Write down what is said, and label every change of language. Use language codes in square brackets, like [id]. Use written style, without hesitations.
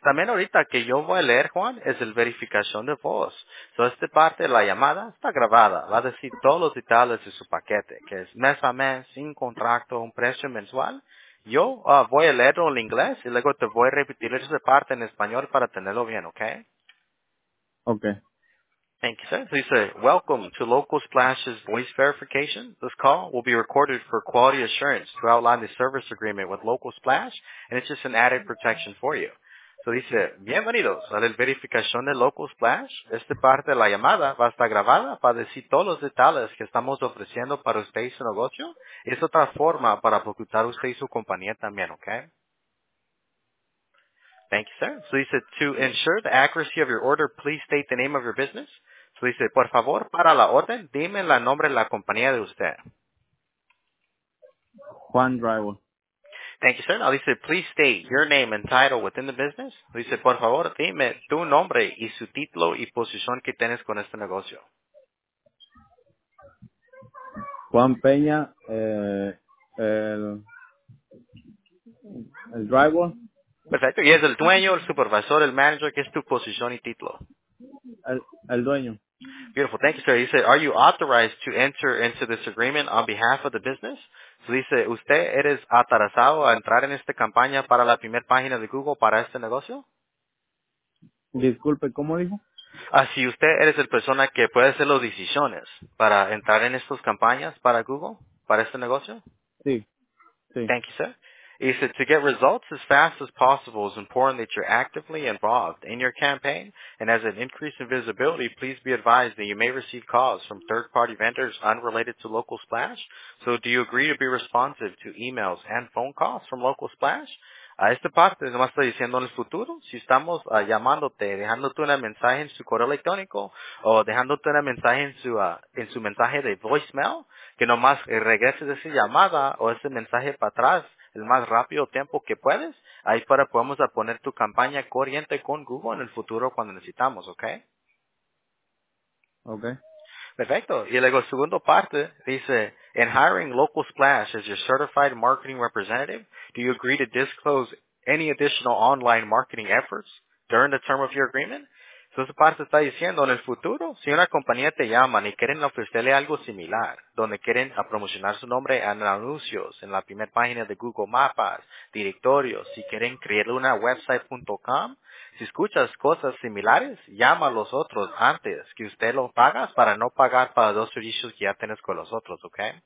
[es] También ahorita que yo voy a leer, Juan, es el verificación de voz. So, esta parte de la llamada está grabada. Va a decir todos los detalles de su paquete, que es mes a mes, sin contrato, un precio mensual. Yo voy a leerlo en inglés y luego te voy a repetir esa parte en español para tenerlo bien, ¿okay? Okay. [en] Thank you, sir. So you say, welcome to Local Splash's voice verification. This call will be recorded for quality assurance to outline the service agreement with Local Splash, and it's just an added protection for you. So you say, [es] bienvenidos a la verificación de Local Splash. Esta parte de la llamada va a estar grabada para decir todos los detalles que estamos ofreciendo para usted y su negocio. Es otra forma para facultar usted y su compañía también, okay? [en] Thank you, sir. So he said, to ensure the accuracy of your order, please state the name of your business. So he said, [es] por favor, para la orden, dime el nombre de la compañía de usted. Juan Drywall. [en] Thank you, sir. Now he said, please state your name and title within the business. So he said, [es] por favor, dime tu nombre y su título y posición que tienes con este negocio. Juan Peña, el Drywall. Perfecto. ¿Y es el dueño, el supervisor, el manager? ¿Qué es tu posición y título? El dueño. [en] Beautiful. Thank you, sir. He said, are you authorized to enter into this agreement on behalf of the business? So he said, [es] ¿usted eres autorizado a entrar en esta campaña para la primera página de Google para este negocio? Disculpe, ¿cómo dijo? Si usted eres la persona que puede hacer las decisiones para entrar en estas campañas para Google, para este negocio. Sí. Sí. [en] Thank you, sir. He said, to get results as fast as possible is important that you're actively involved in your campaign, and as an increase in visibility, please be advised that you may receive calls from third-party vendors unrelated to Local Splash. So do you agree to be responsive to emails and phone calls from Local Splash? [es] A esta parte, nomás estoy diciendo en el futuro, si estamos llamándote, dejándote un mensaje en su correo electrónico, o dejándote un mensaje en su mensaje de voicemail, que nomás regreses esa llamada o ese mensaje para atrás, el más rápido tiempo que puedes, ahí para podemos poner tu campaña corriente con Google en el futuro cuando necesitamos, ¿ok? Okay. Perfecto. Y luego, segundo parte, dice, [en] in hiring Local Splash as your certified marketing representative, do you agree to disclose any additional online marketing efforts during the term of your agreement? [es] Entonces, parte está diciendo, en el futuro, si una compañía te llama y quieren ofrecerle algo similar, donde quieren a promocionar su nombre en anuncios, en la primera página de Google Maps, directorios, si quieren crear una website.com, si escuchas cosas similares, llama a los otros antes que usted lo pagas para no pagar para dos servicios que ya tienes con los otros, ¿ok?